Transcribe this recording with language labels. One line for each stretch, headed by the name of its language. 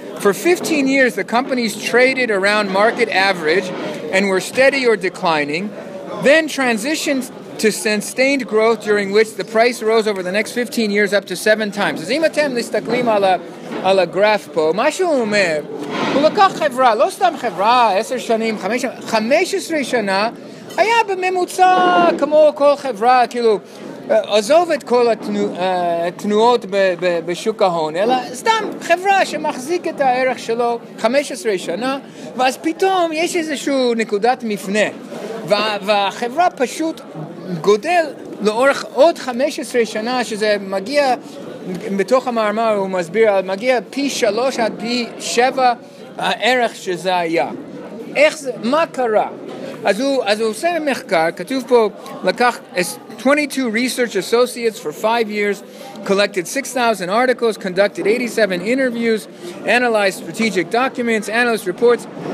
English: For 15 years, the companies traded around market average and were steady or declining, then transitioned to sustained growth, during which the price rose over the next 15 years up to 7 times.
Hebrew: אז אם אתם מסתכלים על הגרף פה, מה שהוא אומר, הוא לקח חברה, לא סתם חברה, 10 שנים, 15 שנה, היה בממוצע כמו כל חברה, כאילו, עזוב את כל התנועות בשוק ההון, אלא סתם חברה שמחזיק את הערך שלו 15 שנה, ואז פתאום יש איזשהו נקודת מפנה, והחברה פשוט גודל לאורך עוד 15 שנה, שזה מגיע, בתוך המאמר הוא מסביר, מגיע פי 3 עד פי 7 הערך שזה היה. איך זה, מה קרה? אז הוא עושה מחקר, כתוב פה, לקח
English: 22 research associates for 5 years, collected 6,000 articles, conducted 87 interviews, analyzed strategic documents, analyst reports.